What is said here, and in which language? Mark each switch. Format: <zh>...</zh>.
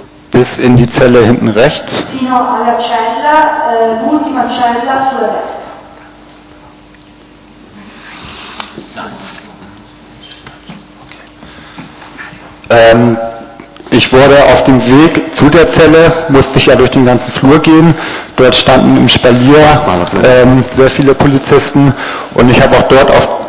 <de>Bis in die Zelle hinten rechts.</de> <it>Fino alla cella, l'ultima cella sulla destra.</it> <de>Ich wurde auf dem Weg zu der Zelle, musste ich ja durch den ganzen Flur gehen. Dort standen im Spalier sehr viele Polizisten und ich habe auch dort auf.</de>